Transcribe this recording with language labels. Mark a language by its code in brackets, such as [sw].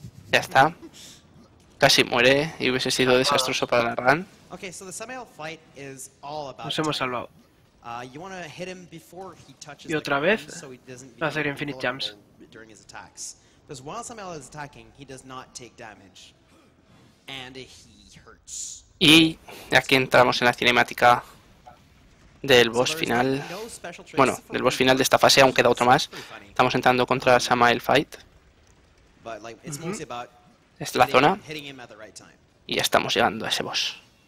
[es] Ya está. Casi muere y hubiese sido desastroso para la run. [en] Okay, so the semi-final fight is all about. [es] Nos hemos salvado. [en] You want to hit him before he touches. [es] Y otra vez. Va a hacer infinite jumps. [en] During his attacks, because while Samael is attacking, he does not take damage, and he hurts. [es] Y aquí entramos en la cinemática del boss final. Bueno, del boss final de esta fase, aún queda otro más. Estamos entrando contra Samael fight. Esta es la zona. Y ya estamos llegando a ese boss.